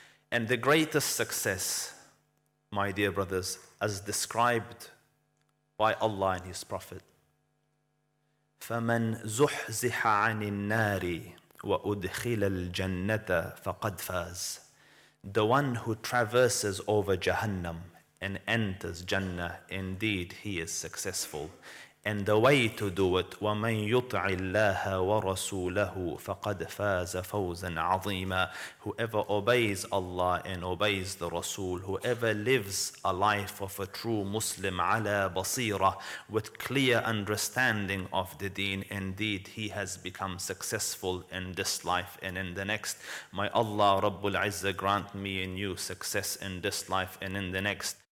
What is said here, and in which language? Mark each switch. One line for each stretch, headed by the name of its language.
English: And the greatest success, my dear brothers, as described by Allah and His Prophet,
Arabic: فَمَنْ زُحْزِحَ عَنِ النَّارِ وَأُدْخِلَ الْجَنَّةَ فَقَدْ فَازَ.
English: The one who traverses over Jahannam and enters Jannah, indeed he is successful. And the way to do it,
Arabic: وَمَنْ يُطْعِ اللَّهَ وَرَسُولَهُ فَقَدْ فَازَ فَوْزًا عَظِيمًا.
English: Whoever obeys Allah and obeys the Rasul, whoever lives a life of a true Muslim,
Arabic: عَلَى بَصِيرًا,
English: with clear understanding of the deen, indeed he has become successful in this life and in the next. May Allah Rabbul Izzah grant me and you success in this life and in the next.